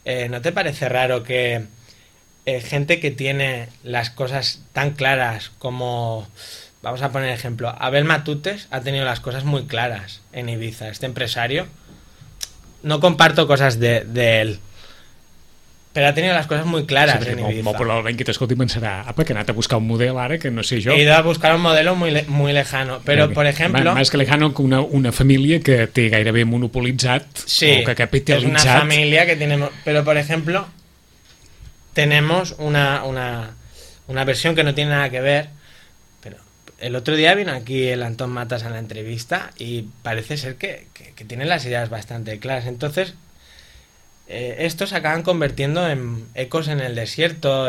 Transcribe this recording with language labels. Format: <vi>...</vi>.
<es>¿No te parece raro que... gente que tiene las cosas tan claras como, vamos a poner ejemplo, Abel Matutes ha tenido las cosas muy claras en Ibiza, este empresario, no comparto cosas de él, pero ha tenido las cosas muy claras en Ibiza.</es> <ca>Molt probablement que t'escolti pensarà, apa, que ha anat a buscar un model ara, que no sé jo.</ca> <es>He ido a buscar un modelo muy lejano, pero por ejemplo... Más que lejano que una</es> <ca>família que té gairebé monopolitzat,</ca> <es>sí,</es> <ca>o que capitalitzat.</ca> <es>Sí, es una família que tiene... Pero por ejemplo... Tenemos una versión que no tiene nada que ver, pero el otro día vino aquí el Antón Matas a la entrevista y parece ser que tiene las ideas bastante claras. Entonces, estos se acaban convirtiendo en ecos en el desierto.</es>